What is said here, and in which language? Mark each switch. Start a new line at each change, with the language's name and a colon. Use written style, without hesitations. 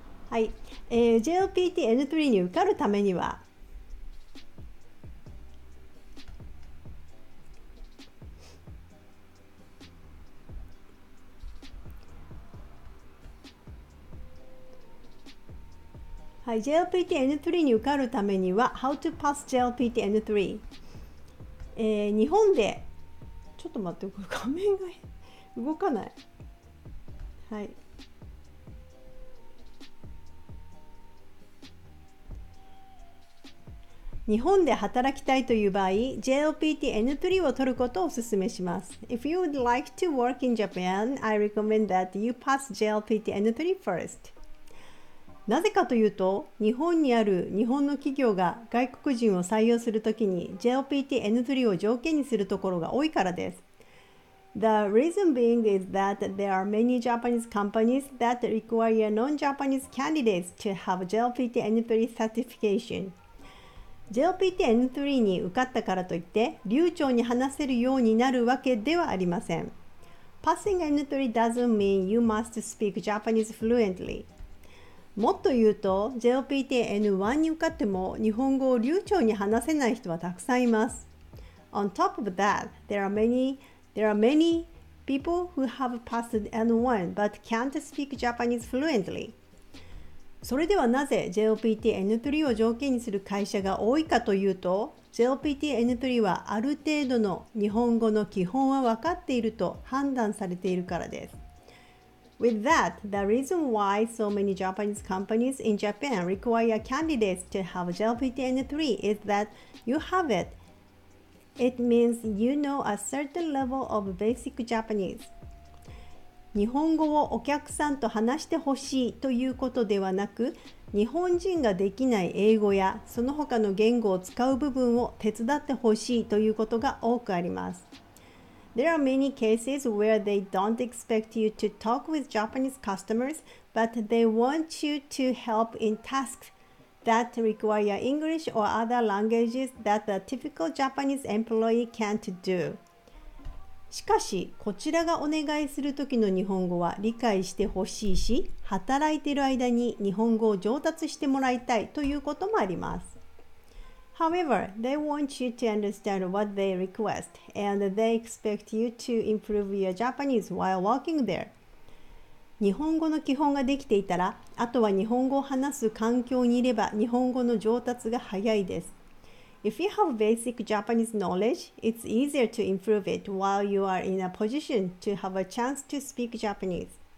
Japanese: はい、JLPT N3 に受かるためには、はい、JLPT N3 に受かるためには
English: How to pass JLPT N3、
Japanese: 日本で、ちょっと待って、これ画面が動かない。はい、日本で働きたいという場合、 JLPT N3 を取ることをお勧めします。
English: If you would like to work in Japan, I recommend that you pass JLPT N3 first。
Japanese: なぜかというと、日本にある日本の企業が外国人を採用するときに JLPT N3 を条件にするところが多いからです。
English: The reason being is that there are many Japanese companies that require non-Japanese candidates to have JLPT N3 certification.
Japanese: JLPT N3 に受かったからといって流暢に話せるようになるわけではありません。
English: Passing N3 doesn't mean you must speak Japanese fluently.
Japanese: もっと言うと、JLPT N1 に受かっても日本語を流暢に話せない人はたくさんいます。
English: On top of that, there are many people who have passed N1 but can't speak Japanese fluently.
Japanese: それではなぜ JOPT N プリを条件にする会社が多いかというと、 JOPT N プリはある程度の日本語の基本は分かっていると判断されているからです。
English: With that, the reason why so many Japanese companies in Japan require candidates to have JOPT N プリ is that you have it. It means you know a certain level of basic Japanese.
Japanese: 日本語をお客さんと話してほしいということではなく、日本人ができない英語やその他の言語を使う部分を手伝ってほしいということが多くあります。
English: There are many cases where they don't expect you to talk with Japanese customers, but they want you to help in tasks that require English or other languages that the typical Japanese employee can't do.
Japanese: しかし、こちらがお願いする時の日本語は理解してほしいし、働いている間に日本語を上達してもらいたいということもあります。
English: However, they want you to understand what they request, and they expect you to improve your Japanese while working there.
Japanese: 日本語の基本ができていたら、あとは日本語を話す環境にいれば日本語の上達が早いです。
English: If you have basic Japanese knowledge, it's easier to improve it while you are in a position to have a chance to speak Japanese.